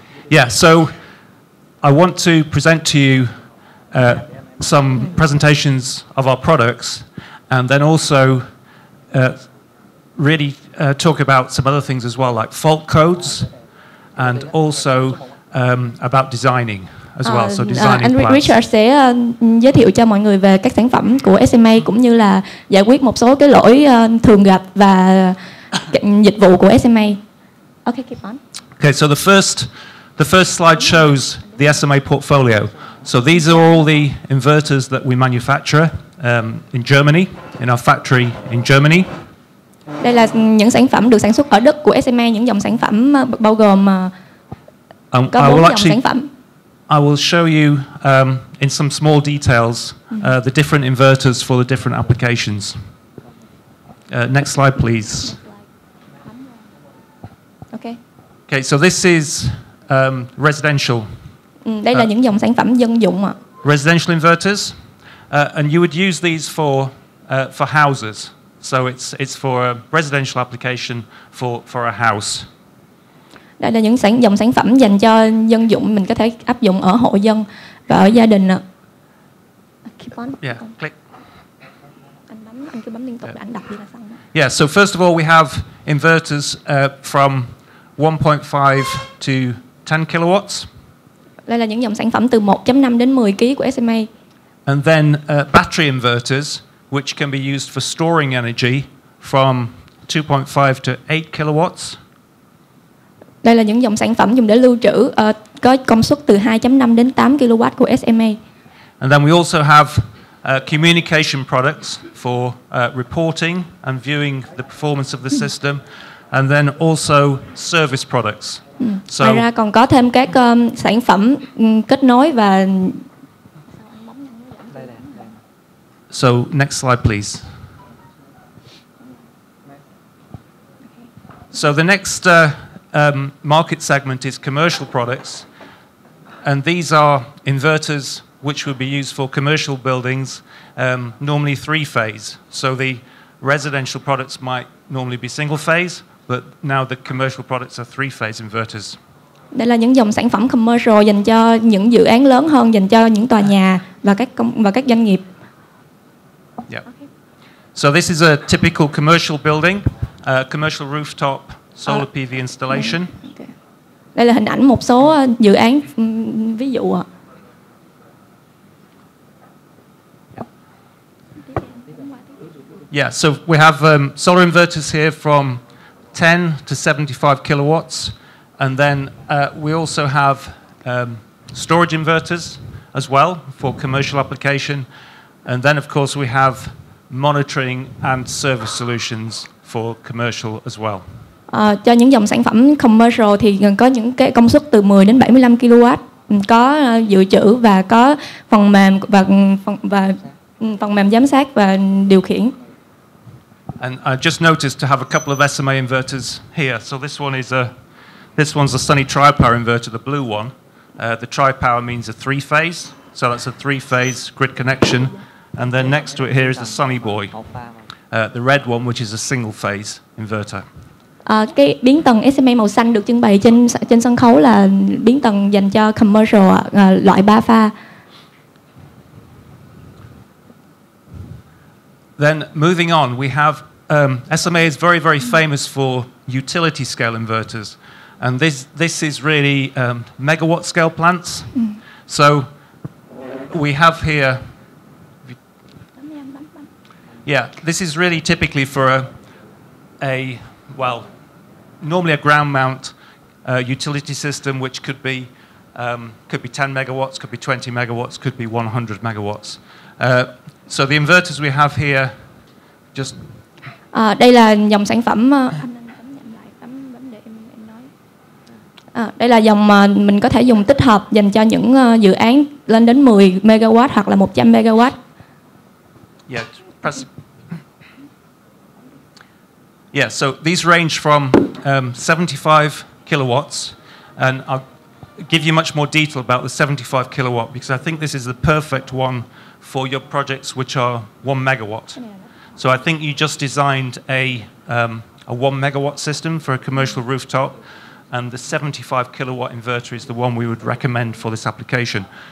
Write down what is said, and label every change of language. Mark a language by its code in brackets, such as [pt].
[en] Yeah, so I want to present to you some presentations of our products and then also really talk about some other things as well, like fault codes and also about designing. As well, so designing [vi] anh [en] plans. [vi] Richard sẽ giới thiệu cho mọi người về các sản phẩm của SMA cũng như là giải quyết một số cái lỗi thường gặp và dịch vụ của SMA. [en] Okay, keep on. Okay, so the first slide shows the SMA portfolio. So these are all the inverters that we manufacture in Germany, in our factory in Germany. [vi] Đây là những sản phẩm được sản xuất ở Đức của SMA, những dòng sản phẩm bao gồm có 4 dòng sản phẩm. [en] I will show you in some small details the different inverters for the different applications. Next slide, please. Okay. Okay, so this is residential. [vi] Đây là những dòng sản phẩm dân dụng ạ. [en] Residential inverters, and you would use these for houses. So it's for a residential application for a house. [vi] Đây là những dòng sản phẩm dành cho dân dụng, mình có thể áp dụng ở hộ dân và ở gia đình ạ. [en] Keep on. Yeah, click. [vi] Anh cứ bấm liên tục để anh đọc đi là xong. [en] Yeah, so first of all we have inverters from 1.5 to 10 kilowatts. [vi] Đây là những dòng sản phẩm từ 1.5 đến 10 kg của SMA. [en] And then battery inverters which can be used for storing energy from 2.5 to 8 kilowatts. [vi] Đây là những dòng sản phẩm dùng để lưu trữ có công suất từ 2.5 đến 8 kW của SMA. [en] And then we also have communication products for reporting and viewing the performance of the system and then also service products. [vi] So ngoài ra còn có thêm các sản phẩm kết nối và [en] So next slide please. So the next market segment is commercial products, and these are inverters which would be used for commercial buildings, normally three phase. So the residential products might normally be single phase, but now the commercial products are three phase inverters. [vi] Đây là những dòng sản phẩm commercial dành cho những dự án lớn hơn, dành cho những tòa nhà và các doanh nghiệp. [en] Yeah. So this is a typical commercial building, commercial rooftop. Solar PV installation. Okay. [vi] Đây là hình ảnh một số dự án ví dụ ạ. [en] Yeah, so we have solar inverters here from 10 to 75 kilowatts and then we also have storage inverters as well for commercial application and then of course we have monitoring and service solutions for commercial as well. [vi] Cho những dòng sản phẩm commercial thì có những cái công suất từ 10 đến 75 kW, có dự trữ và có phần mềm và phần mềm giám sát và điều khiển. [en] And I just noticed to have a couple of SMA inverters here. So this one's a Sunny Tripower inverter, the blue one. The tripower means a three phase. So that's a three phase grid connection. And then next to it here is the Sunny Boy. The red one which is a single phase inverter. [vi] Cái biến tầng SMA màu xanh được trưng bày trên sân khấu là biến tầng dành cho commercial loại 3 pha. [en] Then moving on, we have SMA is very very famous for utility scale inverters and this is really megawatt scale plants. So we have here Yeah, this is really typically for normally a ground mount utility system which could be 10 megawatts, could be 20 megawatts, could be 100 megawatts. So the inverters we have here just [vi] đây là dòng sản phẩm Đây là dòng mà mình có thể dùng tích hợp dành cho những dự án lên đến 10 MW hoặc là 100 MW. [en] Yeah, press. Yeah, so these range from 75 kilowatts, and I'll give you much more detail about the 75 kilowatt because I think this is the perfect one for your projects which are 1 MW. So I think you just designed a 1 MW system for a commercial rooftop, and the 75 kilowatt inverter is the one we would recommend for this application.